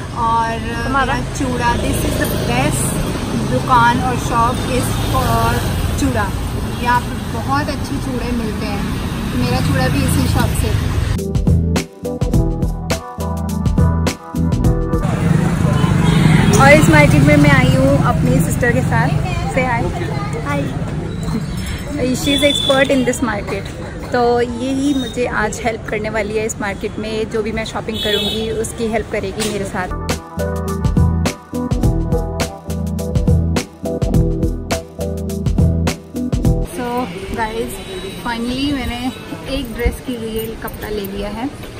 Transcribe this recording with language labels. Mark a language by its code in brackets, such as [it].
[hi] और हमारा चूड़ा, [en] This is the best दुकान और shop is for chooda. [hi] यहाँ पर बहुत अच्छे चूड़े मिलते हैं, मेरा चूड़ा भी इसी शॉप से. और इस मार्केट में मैं आई हूँ अपनी सिस्टर के साथ. [en] Say hi. Hi. She is expert in this market. [hi] तो यही मुझे आज help करने वाली है इस market में. जो भी मैं shopping करूँगी उसकी help करेगी मेरे साथ. So guys, finally मैंने एक dress के लिए कपड़ा ले लिया है.